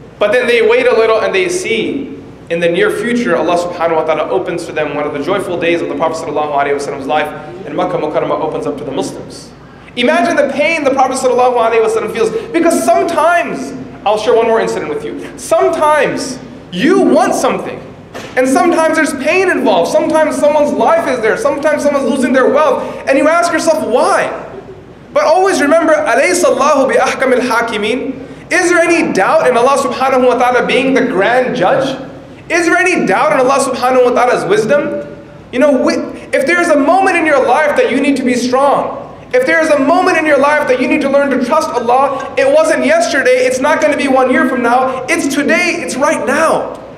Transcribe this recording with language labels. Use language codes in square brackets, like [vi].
[en] But then they wait a little and they see in the near future, Allah subhanahu wa ta'ala opens for them one of the joyful days of the Prophet sallallahu alayhi wa sallam's life, and Makkah Mukarramah opens up to the Muslims. Imagine the pain the Prophet sallallahu alayhi wa sallam feels, because sometimes, I'll share one more incident with you. Sometimes you want something. And sometimes there's pain involved. Sometimes someone's life is there. Sometimes someone's losing their wealth. And you ask yourself, why? But always remember, [ar] أَلَيْسَ اللَّهُ بِأَحْكَمِ الْحَاكِمِينَ. [en] Is there any doubt in Allah subhanahu wa ta'ala being the grand judge? Is there any doubt in Allah subhanahu wa ta'ala's wisdom? You know, if there's a moment in your life that you need to be strong, if there's a moment in your life that you need to learn to trust Allah, it wasn't yesterday, it's not going to be 1 year from now, it's today, it's right now.